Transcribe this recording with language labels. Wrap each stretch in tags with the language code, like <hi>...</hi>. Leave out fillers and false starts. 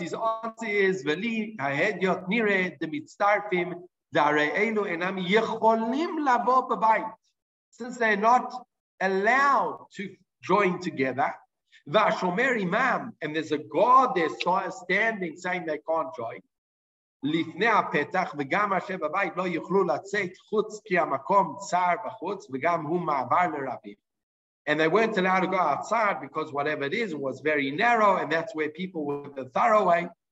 <en>His answer is, since they're not allowed to join together, and there's a guard there standing saying they can't join,</en> <he>לפני הפתח וגם אשר בבית לא יוכלו לצאת חוץ כי המקום צר בחוץ וגם הוא מעבר לרבים.</he> <en>And they weren't allowed to go outside because whatever it is was very narrow, and that's where people were the thoroughway.</en>